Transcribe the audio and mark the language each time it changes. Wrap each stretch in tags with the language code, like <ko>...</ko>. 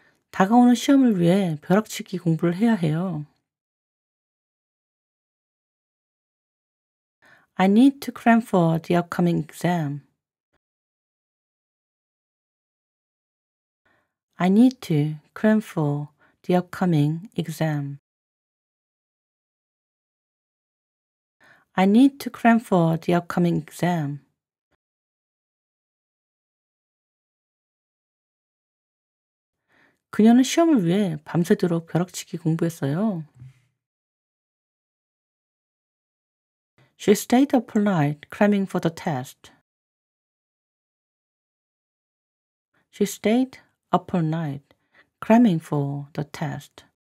<ko>다가오는 시험을 위해 벼락치기 공부를 해야 해요.</ko> <en>I need to cram for the upcoming exam. I need to cram for the upcoming exam. I need to cram for the upcoming exam.</en> <ko>그녀는 시험을 위해 밤새도록 벼락치기 공부했어요.</ko> <en>She stayed up all night cramming for the test. She stayed up all night cramming for the test.</en>